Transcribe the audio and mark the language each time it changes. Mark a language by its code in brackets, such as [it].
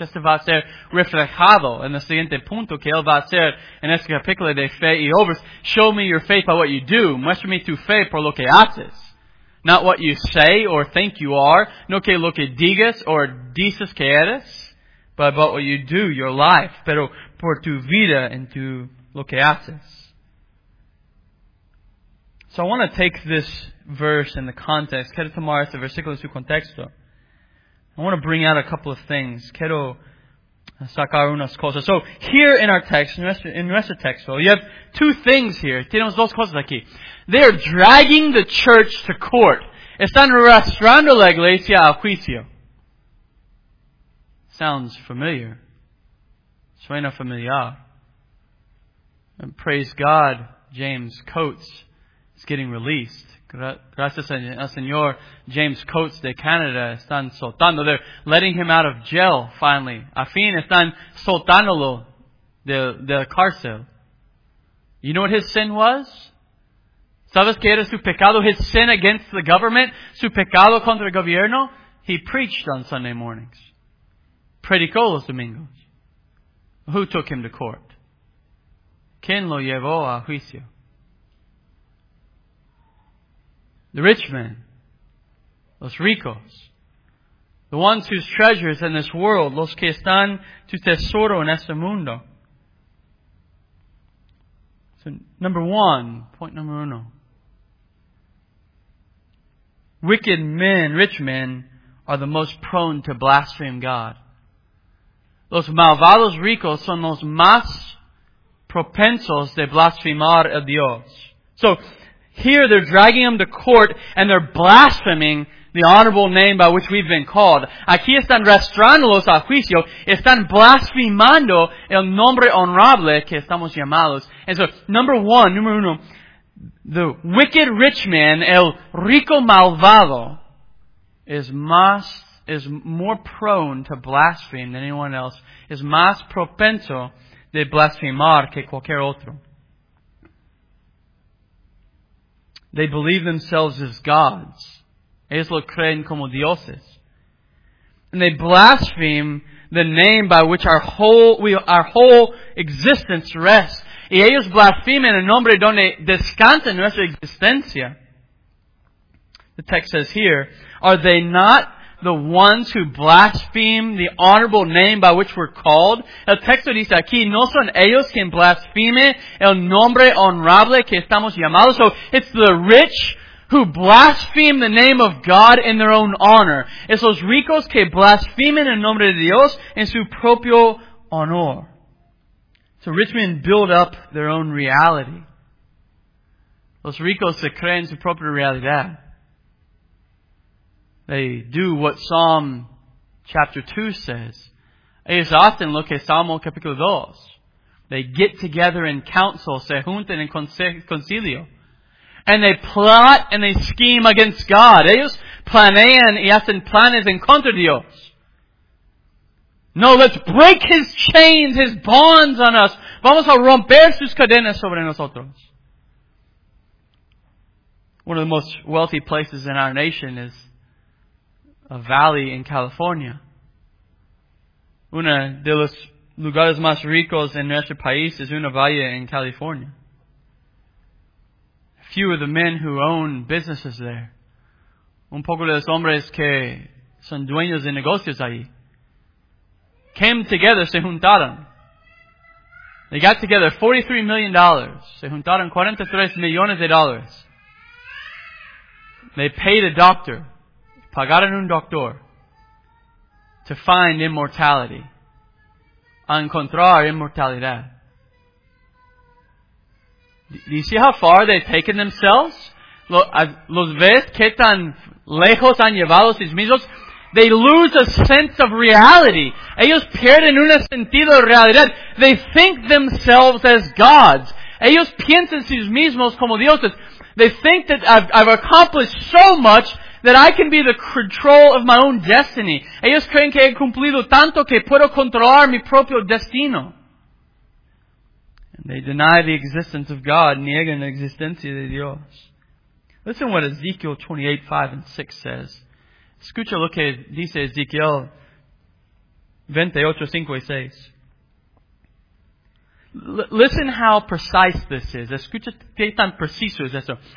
[es] Esto va a ser reflejado en el siguiente punto que él va a hacer en este capítulo de fe y obras. [en] Show me your faith by what you do. [es] Muestra mi tu fe por lo que haces. [en] Not what you say or think you are. [es] No que lo que digas or dices que eres. [en] But about what you do, your life. [es] Pero por tu vida en tu lo que haces. [en] So I want to take this verse in the context. [es] Quiero tomar este versículo en su contexto. [en] I want to bring out a couple of things. [es] Quiero sacar unas cosas. [en] So here in our text, in [es] nuestro texto, [en] you have two things here. [es] Tenemos dos cosas aquí. [en] They are dragging the church to court. [es] Están arrastrando la iglesia al juicio. [en] Sounds familiar. [es] Suena familiar. [en] And praise God, James Coates is getting released. [es] Gracias al Señor, James Coates de Canadá están soltando. [en] They're letting him out of jail, finally. [es] A fin están soltándolo de la cárcel. [en] You know what his sin was? [es] ¿Sabes qué era su pecado? [en] His sin against the government? [es] Su pecado contra el gobierno? [en] He preached on Sunday mornings. [es] Predicó los domingos. [en] Who took him to court? [es] ¿Quién lo llevó a juicio? [en] The rich man. [es] Los ricos. [en] The ones whose treasures in this world. [es] Los que están tu tesoro en este mundo. [en] So, number one. Point number uno. Wicked men, rich men, are the most prone to blaspheme God. [es] Los malvados ricos son los más propensos de blasfemar a Dios. [en] So, here they're dragging them to court and they're blaspheming the honorable name by which we've been called. [es] Aquí están arrastrándolos a juicio. Están blasfemando el nombre honorable que estamos llamados. [en] And so, number uno, the wicked rich man, [es] el rico malvado, [en] is more prone to blaspheme than anyone else, is [es] más propenso de blasfemar que cualquier otro. [en] They believe themselves as gods. [es] Ellos lo creen como dioses. [en] And they blaspheme the name by which our whole existence rests. [es] Y ellos blasfemen el nombre donde descansa nuestra existencia. [en] The text says here, are they not the ones who blaspheme the honorable name by which we're called? [es] El texto dice aquí, no son ellos quien blasfeme el nombre honorable que estamos llamados. [en] So, it's the rich who blaspheme the name of God in their own honor. [es] Es los ricos que blasfemen el nombre de Dios en su propio honor. [en] So, rich men build up their own reality. [es] Los ricos se creen su propia realidad. [en] They do what Psalm chapter 2 says. [es] Ellos hacen lo que Salmo capítulo 2. [en] They get together in council, [es] se juntan en concilio. [en] And they plot and they scheme against God. [es] Ellos planean y hacen planes en contra de Dios. [en] No, let's break His chains, His bonds on us. [es] Vamos a romper sus cadenas sobre nosotros. [en] One of the most wealthy places in our nation is a valley in California. [es] Una de los lugares más ricos en nuestro país es una valle en California. [en] Few of the men who own businesses there. [es] Un poco de los hombres que son dueños de negocios allí. [en] Came together, [es] se juntaron. [en] They got together $43 million. [es] Se juntaron 43 millones de dólares. [en] They paid a doctor. [es] Pagaron un doctor. [en] To find immortality. [es] A encontrar inmortalidad. [en] Do you see how far they've taken themselves? [es] Los ves que tan lejos han llevado sus mismos? [en] They lose a sense of reality. [es] Ellos pierden un sentido de realidad. [en] They think themselves as gods. [es] Ellos piensan sus mismos como dioses. [en] They think that I've accomplished so much that I can be the control of my own destiny. [es] Ellos creen que he cumplido tanto que puedo controlar mi propio destino. [en] And they deny the existence of God, [es] niegan la existencia de Dios. [en] Listen what Ezekiel 28, 5 and 6 says. [es] Escucha lo que dice Ezekiel 28, 5 y 6. [en] Listen how precise this is. [es] Escucha qué tan preciso es esto.